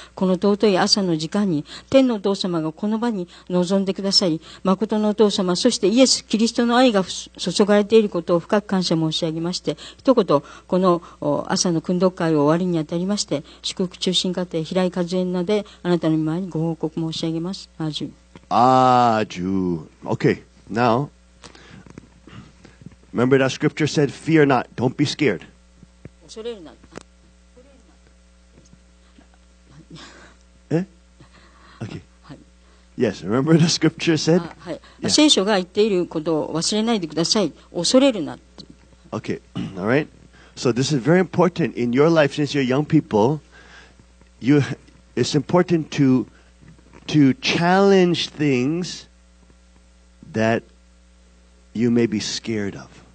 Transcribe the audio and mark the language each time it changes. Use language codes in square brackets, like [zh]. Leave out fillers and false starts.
[ja] この尊い朝の時間に天のお父様がこの場に臨んでくださり、誠のお父様、そしてイエス・キリストの愛が注がれていることを深く感謝申し上げまして、一言この朝の訓読会を終わりにあたりまして、祝福中心家庭平井和恵の名であなたの御前にご報告申し上げます。アージュアージュ。 [en] Okay, now remember that scripture said fear not, don't be scared. [ja] 恐れるな。 [en] Yes, remember the scripture said? [ja] はい、yeah. 聖書が言っていることを忘れないでください。恐れるな。 [en] Okay, all right. So this is very important in your life since you're young people. It's important to challenge things that you may be scared of.